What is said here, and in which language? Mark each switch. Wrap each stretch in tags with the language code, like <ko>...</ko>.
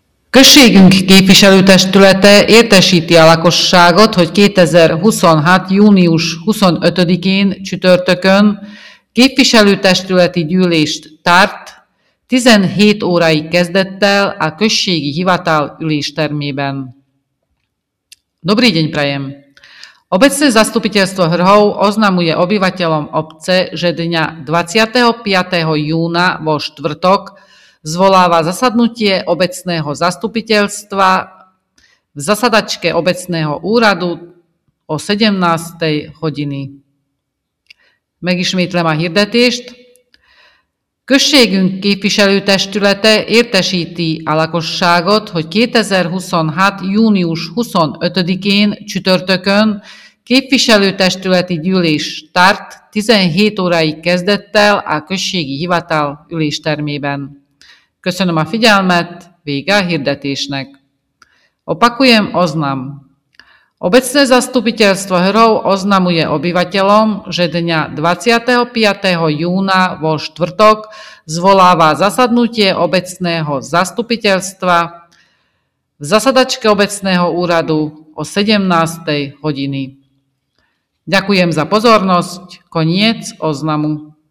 <hu>Községünk képviselőtestülete értesíti a lakosságot, hogy 2026. június 25-én csütörtökön képviselőtestületi gyűlést tart 17 óráig kezdettel a községi hivatal üléstermében.</hu> <sk>Dobrý deň prajem! Obecné zastupiteľstvo Hrhov oznamuje obyvateľom obce, že dňa 25. júna vo štvrtok zvoláva zasadnutie obecného zastupiteľstva v zasadačke obecného úradu o 17. hodiny.</sk> <hu>Megismétlem a hirdetést. Községünk képviselőtestülete értesíti a lakosságot, hogy 2026. június 25-én csütörtökön képviselőtestületi gyűlés tart 17 óráig kezdettel a községi hivatal üléstermében. Köszönöm a figyelmet, vége a hirdetésnek.</hu> <sk>Opakujem oznam. Obecné zastupiteľstvo Hrhov oznamuje obyvateľom, že dňa 25. júna vo štvrtok zvoláva zasadnutie obecného zastupiteľstva v zasadačke obecného úradu o 17. hodiny. Ďakujem za pozornosť. Koniec oznamu.</sk>